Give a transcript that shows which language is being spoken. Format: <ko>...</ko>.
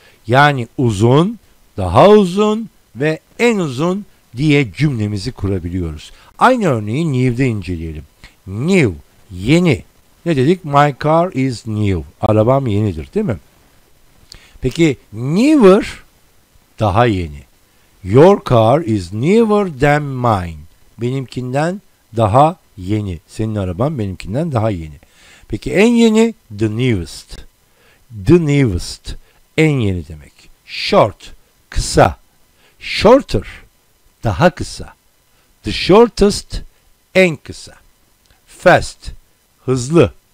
<tr>Yani uzun, daha uzun ve en uzun diye cümlemizi kurabiliyoruz. Aynı örneği new'de inceleyelim. New, yeni. Ne dedik?</tr> <en>My car is new.</en> <tr>Arabam yenidir, değil mi? Peki newer, daha yeni.</tr> <en>Your car is newer than mine.</en> <tr>Benimkinden daha yeni. Senin araban benimkinden daha yeni. Peki en yeni, the newest. The newest, en yeni demek. Short, kısa. Shorter, daha kısa. The shortest, en kısa. Fast, hızlı.</tr>